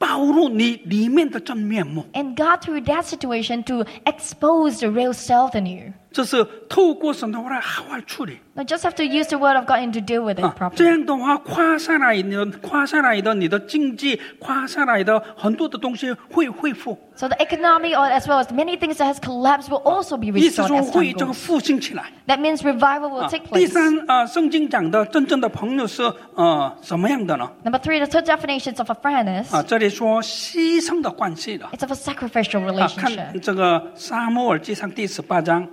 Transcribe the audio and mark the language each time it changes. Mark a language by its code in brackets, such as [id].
[zh] 上帝透过那个问题来暴露你里面的真面目。 [en] And God through that situation to expose the real self in you. [zh] 这是透过神的话来好好处理。 [en] Now just have to use the word of God and to deal with it properly. [zh] 这样的话夸下来的你的经济夸下来的很多的东西会恢复。 [en] So the economy or as well as many things that has collapsed will also be restored as time goes. [zh] 意思说会这个复兴起来。 [en] That means revival will take place. [zh] 第三, 圣经讲的真正的朋友是, 什么样的呢? [en] Number three, the third definition of a friend is [zh] 这里说牺牲的关系的。 [en] It's of a sacrificial relationship. [zh] 看这个撒母耳记上第18章。